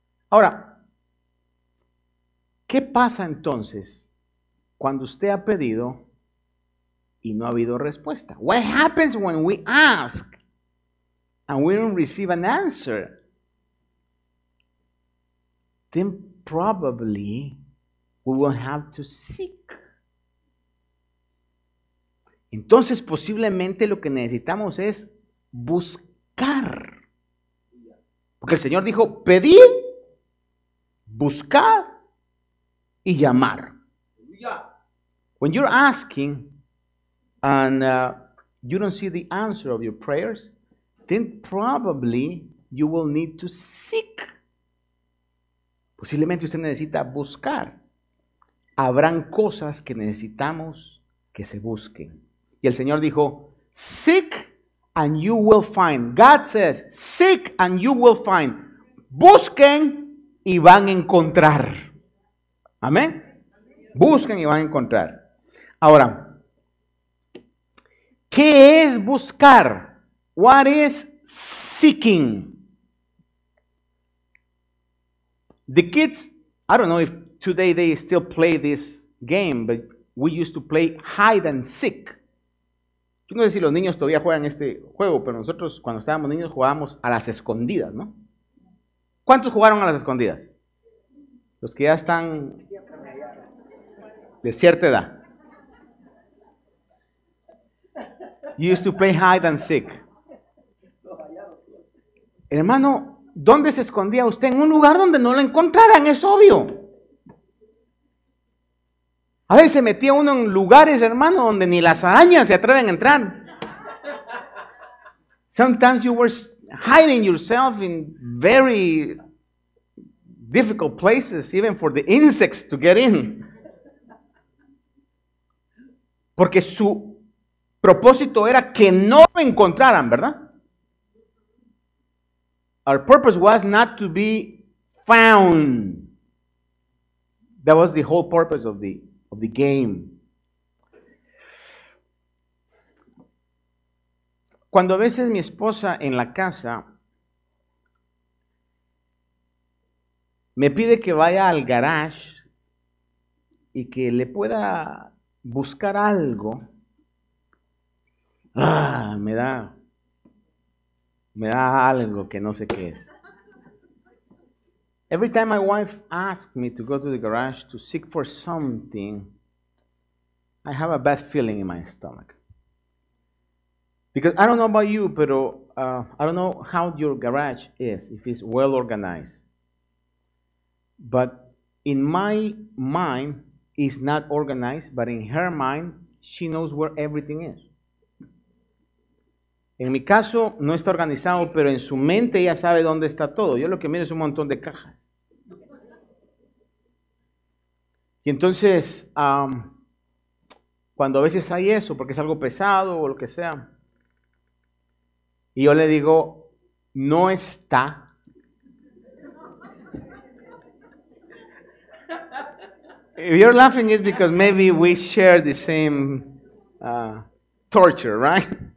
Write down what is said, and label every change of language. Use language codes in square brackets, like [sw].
[es] Ahora, ¿qué pasa entonces cuando usted ha pedido y no ha habido respuesta? [en] What happens when we ask and we don't receive an answer? Then probably we will have to seek. [es] Entonces posiblemente lo que necesitamos es buscar. Porque el Señor dijo pedir, buscar y llamar. [en] When you're asking and you don't see the answer of your prayers, then probably you will need to seek. [es] Posiblemente usted necesita buscar. Habrán cosas que necesitamos que se busquen. Y el Señor dijo, [en] seek and you will find. God says, seek and you will find. [es] Busquen y van a encontrar. Amén. Busquen y van a encontrar. Ahora, ¿qué es buscar? [en] What is seeking? The kids, I don't know if today they still play this game, but we used to play hide and seek. [es] Yo no sé si los niños todavía juegan este juego, pero nosotros cuando estábamos niños jugábamos a las escondidas, ¿no? ¿Cuántos jugaron a las escondidas? Los que ya están de cierta edad. [en] You used to play hide and seek. [es] Hermano, ¿dónde se escondía usted? En un lugar donde no lo encontraran, es obvio. A veces se metía uno en lugares, hermano, donde ni las arañas se atreven a entrar. [en] Sometimes you were hiding yourself in very difficult places, even for the insects to get in. [es] Porque su propósito era que no lo encontraran, ¿verdad? [en] Our purpose was not to be found. That was the whole purpose of the game. [es] Cuando a veces mi esposa en la casa me pide que vaya al garage y que le pueda buscar algo, me da algo que no sé qué es. [en] Every time my wife asks me to go to the garage to seek for something, I have a bad feeling in my stomach. Because I don't know about you, pero I don't know how your garage is, if it's well organized. But in my mind, it's not organized, but in her mind, she knows where everything is. [es] En mi caso, no está organizado, pero en su mente ella sabe dónde está todo. Yo lo que miro es un montón de cajas. Y entonces, cuando a veces hay eso, porque es algo pesado o lo que sea, y yo le digo, no está. [en] If you're laughing, it's because maybe we share the same torture, right?